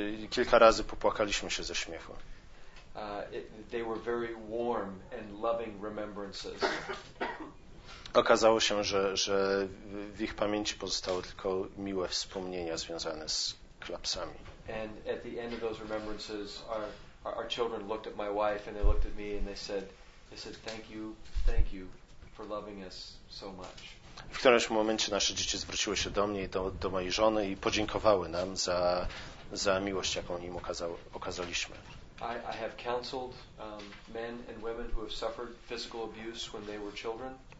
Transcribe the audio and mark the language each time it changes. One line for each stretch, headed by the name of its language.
Polish: Kilka razy popłakaliśmy się ze śmiechu.
English: They were very warm and loving remembrances.
Polish: Okazało się, że w ich pamięci pozostały tylko miłe wspomnienia związane z klapsami.
English: And at the end of those remembrances our children looked at my wife and they looked at me and they said thank you for loving us so much.
Polish: W którymś momencie nasze dzieci zwróciły się do mnie i do mojej żony i podziękowały nam za miłość, jaką im okazaliśmy.
English: I have counseled men and women who have suffered physical abuse when they were children.